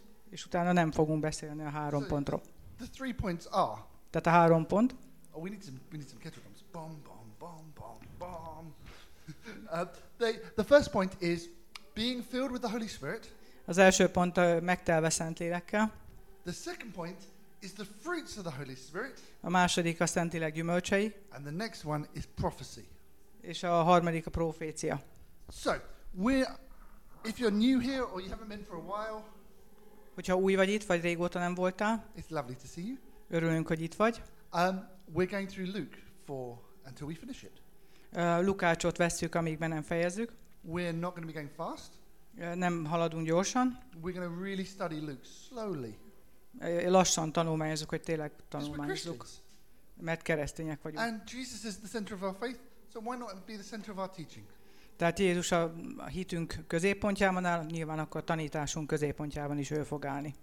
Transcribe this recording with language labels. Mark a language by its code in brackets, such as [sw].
[hu] És utána nem fogunk beszélni a 3 pontról. [en] The 3 points are. [hu] Tehát a 3 pont. [en] Oh, we need some kettle drums. Bom, bom, bom, bom, bom. The first point is being filled with the Holy Spirit. [hu] Az első pont a megtelve Szentlélekkel. [en] The second point is the fruits of the Holy Spirit. [hu] A második a Szentlélek gyümölcsei. [en] And the next one is prophecy. [hu] És a harmadik a profécia. [en] So, if you're new here or you haven't been for a while, [hu] hogyha új vagy itt, vagy régóta nem voltál, [en] it's lovely to see you. [hu] Örülünk, hogy itt vagy. [en] We're going through Luke until we finish it. [hu] Lukácsot vesszük, amíg be nem fejezzük. [en] We're not going to be going fast. [hu] Nem haladunk gyorsan. [en] We're going to really study Luke slowly. [hu] Lassan tanulmányozunk, hogy tényleg tanulmányozunk. Mert keresztények vagyunk. [en] And Jesus is the center of our faith. So why not be the center of our teaching? [hu] Tehát Jézus a hitünk középpontjában áll, nyilván akkor a tanításunk középpontjában is ő fog állni.